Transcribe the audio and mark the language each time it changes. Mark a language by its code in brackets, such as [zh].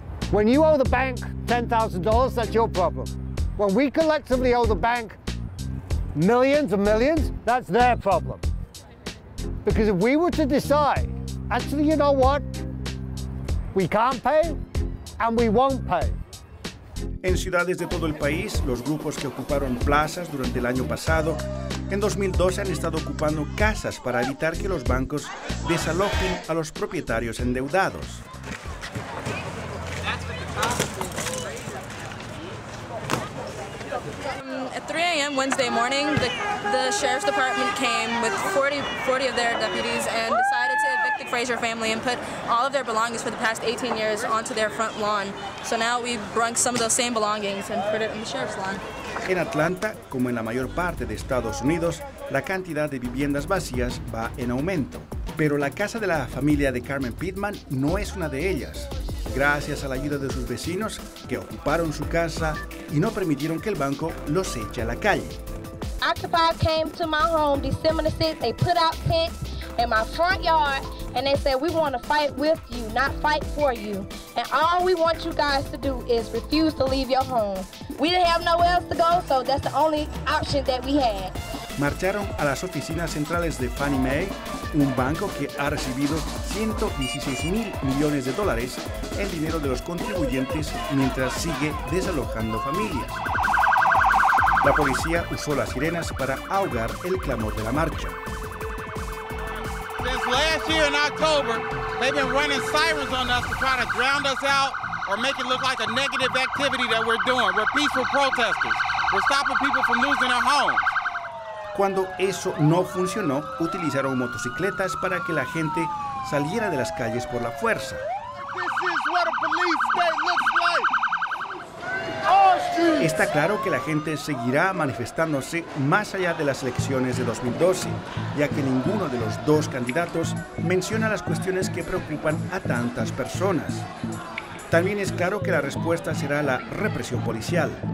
[en] When you owe the bank $10,000, that's your problem. When we collectively owe the bank millions and millions, that's their problem. Because if we were to decide, actually, you know what? We can't pay and we won't pay. [es] En ciudades de todo el país, los grupos que ocuparon plazas durante el año pasado, en 2012 han estado ocupando casas para evitar que los bancos desalojen a los propietarios endeudados. [en] Wednesday morning, the sheriff's department came with 40 of their deputies and decided to evict the Fraser family and put all of their belongings for the past 18 years onto their front lawn. So now we've brought some of those same belongings and put it in the sheriff's lawn. [es] En Atlanta, como en la mayor parte de Estados Unidos, la cantidad de viviendas vacías va en aumento. Pero la casa de la familia de Carmen Pittman no es una de ellas. Gracias a la ayuda de sus vecinos, que ocuparon su casa y no permitieron que el banco los eche a la calle. [en] Occupy came to my home December 6th. They put out tents in my front yard and they said, we want to fight with you, not fight for you. And all we want you guys to do is refuse to leave your home. We didn't have nowhere else to go, so that's the only option that we had. [es] Marcharon a las oficinas centrales de Fannie Mae, un banco que ha recibido 116,000 millones de dólares en dinero de los contribuyentes mientras sigue desalojando familias. La policía usó las sirenas para ahogar el clamor de la marcha. [en] Since last year in October, they've been running sirens on us to try to drown us out or make it look like a negative activity that we're doing. We're peaceful protesters. We're stopping people from losing their homes. [es] Cuando eso no funcionó, utilizaron motocicletas para que la gente saliera de las calles por la fuerza. [en] This is what a police state looks like. [es] Está claro que la gente seguirá manifestándose más allá de las elecciones de 2012, ya que ninguno de los dos candidatos menciona las cuestiones que preocupan a tantas personas. También es claro que la respuesta será la represión policial.